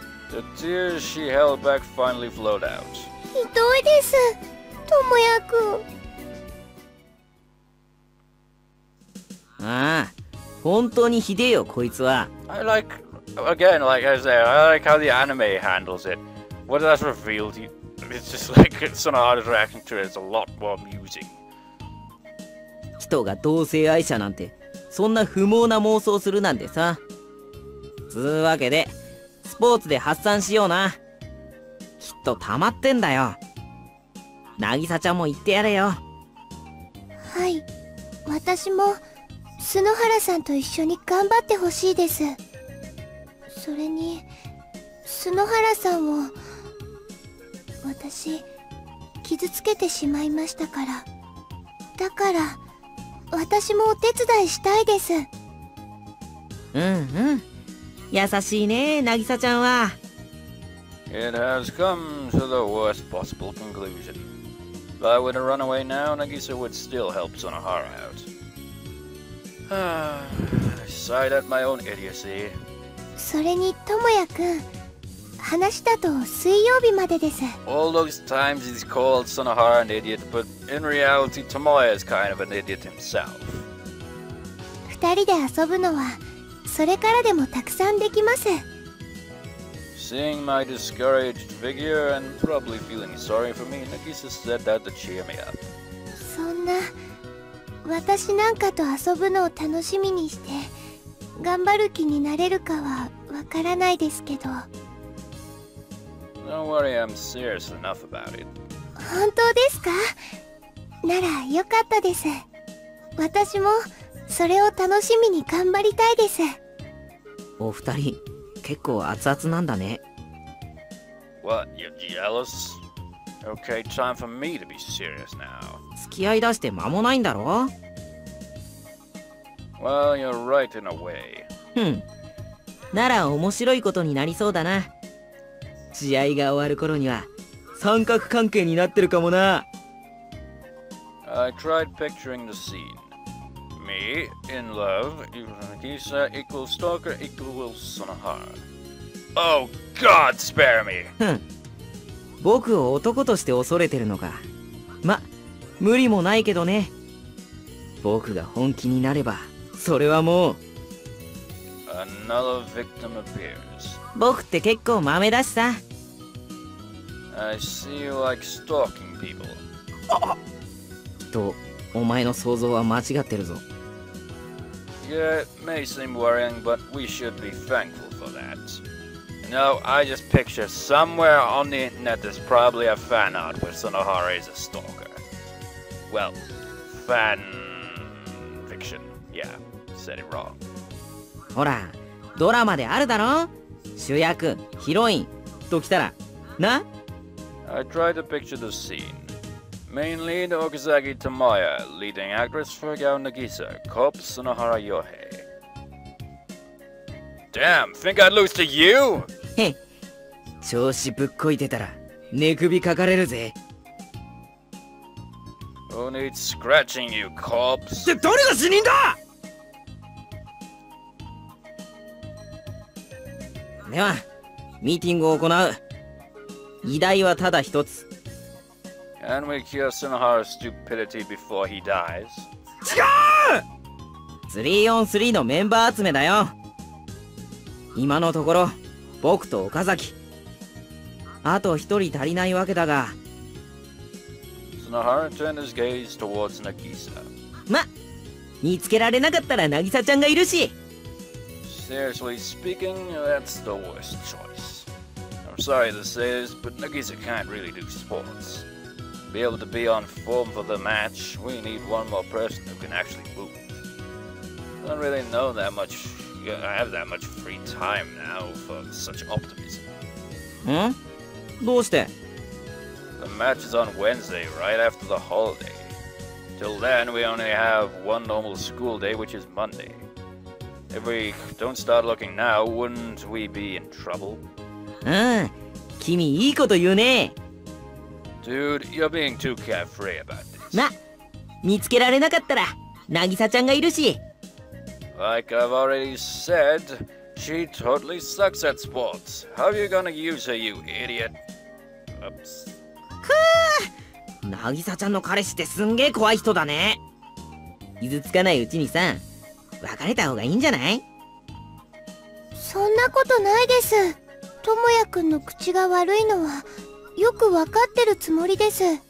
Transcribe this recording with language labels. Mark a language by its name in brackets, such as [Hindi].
[English] The tears she held back finally flowed out. [Japanese] ひどいです、ともやくん。ああ、本当にひでえよ、こいつは。 [English] I like, again, like I say, I like how the anime handles it. What does that reveal to you? It's just like, it's an odd reaction to it, it's a lot more amusing. [Japanese] 人が同性愛者なんて、そんな不毛な妄想するなんてさ。つうわけで、スポーツで発散しような。きっと溜まってんだよ。渚ちゃんも言ってやれよ。はい、私も。篠原さんと一緒に頑張ってほしいです。それに篠原さんを私傷つけてしまいましたから、だから私もお手伝いしたいです。うんうん、優しいね、渚ちゃんは。 [English] It has come to the worst possible conclusion. If I were to run away now, Nagisa would still help Sunohara out. I sighed at my own idiocy. [Japanese] それに、トモヤ君、話だと水曜日までです。 [English] All those times he's called Sunohara an idiot, but in reality, Tomoya is kind of an idiot himself. [Japanese] 二人で遊ぶのは、それからでもたくさんできます。 [English] Seeing my discouraged figure and probably feeling sorry for me, Nagisa said that to cheer me up. [Japanese] そんな…私なんかと遊ぶのを楽しみにして頑張る気になれるかはわからないですけど。 [English] Don't worry, I'm serious enough about it. [Japanese] 本当ですか?ならよかったです。私もそれを楽しみに頑張りたいです。お二人結構熱々なんだね。 [English] What? You're jealous? Okay, time for me to be serious now. [Japanese] 付き合い出して間もないんだろ? [English] Well, you're right in a way. [Japanese] なら面白いことになりそうだな。試合が終わる頃には三角関係になってるかもな。 [English] I tried picturing the scene. Me, in love, Nagisa equals stalker equals Sonohara. Oh God, spare me! [Japanese] 僕を男として恐れてるのか。ま、無理もないけどね。僕が本気になれば、それはもう。 [English] Another victim appears. [Japanese] 僕って結構マメだしさ。 [English] I see you like stalking people. [Japanese] と、お前の想像は間違ってるぞ。 [English] Yeah, it may seem worrying, but we should be thankful for that. No, I just picture somewhere on the internet there's probably a fan art where Sonohara is a stalker. Well, fan fiction. Yeah, said it wrong. [Japanese] ほら、ドラマであるだろ？主役、ヒロインと来たら、な？ [English] I tried to picture the scene. Main lead Okazaki Tamaya, leading actress Fugao Nagisa, cop Sonohara Yohei. Damn, think I'd lose to you? [Japanese] Hey, 調子ぶっこいてたら寝首かかれるぜ。 [English] Who needs scratching, you cops? [Japanese] で、誰が死人だ？では、ミーティングを行う。偉大はただ一つ。 [English] Can we cure Sonohara's stupidity before he dies? [Japanese] 違う !3on3 のメンバー集めだよ。今のところ、僕と岡崎。あと一人足りないわけだが。 [English] Sonohara turned his gaze towards Nagisa. [Japanese] ま、見つけられなかったら Nagisa ちゃんがいるし。 [English] Seriously speaking, that's the worst choice. I'm sorry to say this, but Nagisa can't really do sports. To be able to be on form for the match, we need one more person who can actually move. I don't really know that much. I have that much free time now for such optimism. [Japanese] Hmm? どうして? [English] The match is on Wednesday, right after the holiday. Till then, we only have one normal school day, which is Monday. If we don't start looking now, wouldn't we be in trouble? [Japanese] うん、君いいこと言うね。 [English] Dude, you're being too carefree about this. ま、見つけられなかったら、なぎさちゃんがいるし。 Like I've already said, she totally sucks at sports. How are you gonna use her, you idiot? Oops. [Japanese] くー、なぎさちゃんの彼氏ってすんげー怖い人だね。傷つかないうちにさ、別れた方がいいんじゃない？そんなことないです。トモヤ君の口が悪いのはよくわかってるつもりです。